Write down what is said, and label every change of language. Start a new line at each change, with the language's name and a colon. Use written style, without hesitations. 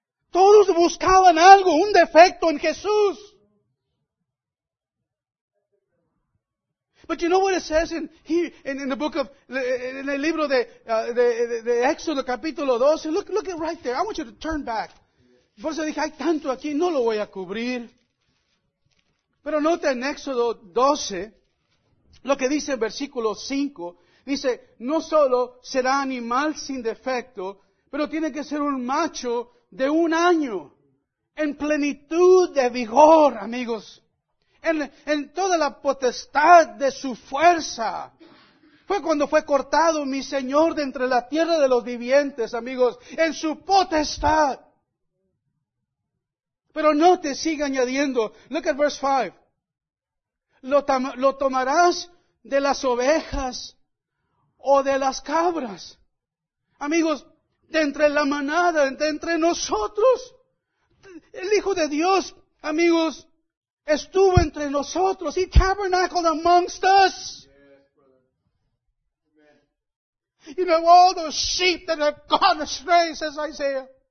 Spanish: Todos buscaban algo, un defecto en Jesús.
English: But you know what it says in the book of, in
Spanish: el libro de Éxodo, capítulo 12.
English: Look it right there. I want you to turn back.
Spanish: Por eso dije, hay tanto aquí, no lo voy a cubrir. Pero nota en Éxodo 12, lo que dice en versículo 5. Dice, no solo será animal sin defecto, pero tiene que ser un macho de un año, en plenitud de vigor, amigos. En toda la potestad de su fuerza. Fue cuando fue cortado mi Señor de entre la tierra de los vivientes, amigos. En su potestad. Pero no te siga añadiendo.
English: Look at verse 5.
Spanish: Lo tomarás de las ovejas o de las cabras. Amigos, de entre la manada, de entre nosotros. El Hijo de Dios, amigos, estuvo entre nosotros.
English: He tabernacled amongst us. You know, all those sheep that have gone astray, says Isaiah.